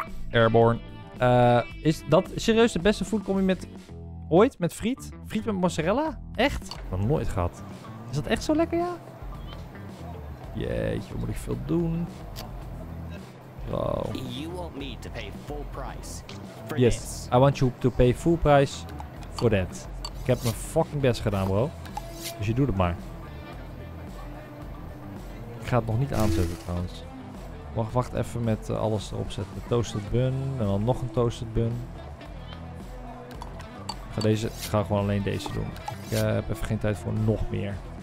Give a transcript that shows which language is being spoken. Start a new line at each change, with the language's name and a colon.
Dutch: Airborne. Is dat serieus de beste foodcombi met... Ooit? Met friet? Friet met mozzarella? Echt? Ik heb nog nooit gehad. Is dat echt zo lekker, ja? Jeetje, wat moet ik veel doen? Wow.
English: You want me to pay full price for yes, this. I want you to pay full price for that.
Dutch: Ik heb mijn fucking best gedaan, bro. Dus je doet het maar. Ik ga het nog niet aanzetten trouwens. Wacht even met alles erop zetten. Toasted bun en dan nog een toasted bun. Ik ga gewoon alleen deze doen. Ik heb even geen tijd voor nog meer.